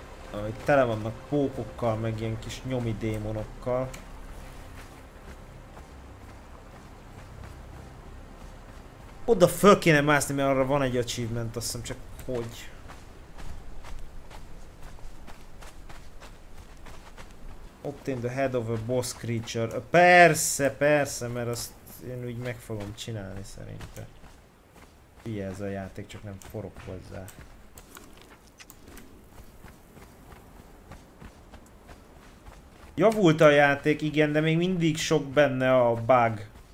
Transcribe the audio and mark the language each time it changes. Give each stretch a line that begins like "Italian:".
Hungarian: Amik tele vannak pókokkal, meg ilyen kis nyomi démonokkal. Oda föl kéne mászni, mert arra van egy achievement, azt hiszem, csak hogy.
English: Obtain the head of a boss creature.
Hungarian: Persze, persze, mert azt én úgy meg fogom csinálni szerintem. Ilyen ez a játék, csak nem forog hozzá. Javult a játék, igen, de még mindig sok benne a bug.